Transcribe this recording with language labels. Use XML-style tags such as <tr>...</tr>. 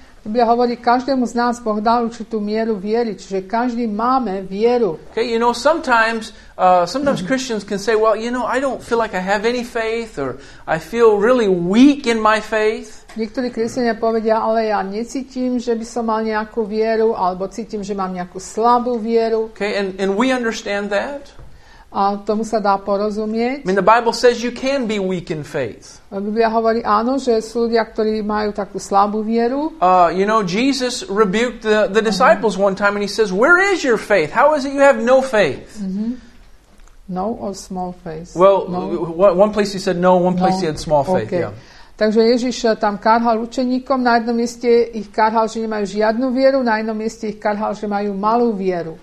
<sk>Biblia hovorí, každému z nás Boh dal určitú mieru viery, čiže každý máme vieru.</sk> <en>Okay, you know, sometimes Christians can say, well, you know, I don't feel like I have any faith or I feel really weak in my faith.</en> <sk>Niektorí kresťania povedia, ale ja necítim, že by som mal nejakú vieru alebo cítim, že mám nejakú slabú vieru.</sk> <en>Okay, and we understand that.</en> <sk>A tomu sa dá porozumieť.</sk> <en>I mean, the Bible says you can be weak in faith.</en> <sk>Biblia hovorí, áno, že sú ľudia, ktorí majú takú slabú vieru.</sk> <en>You know, Jesus rebuked the disciples one time and he says, where is your faith? How is it you have no faith? No or small faith? Well, no. One place he said no, one place no. He had small faith. Okay. Yeah.</en> <sk>Takže Ježiš tam karhal učeníkom, na jednom mieste ich karhal, že nemajú žiadnu vieru, na jednom mieste ich karhal, že majú malú vieru.</sk>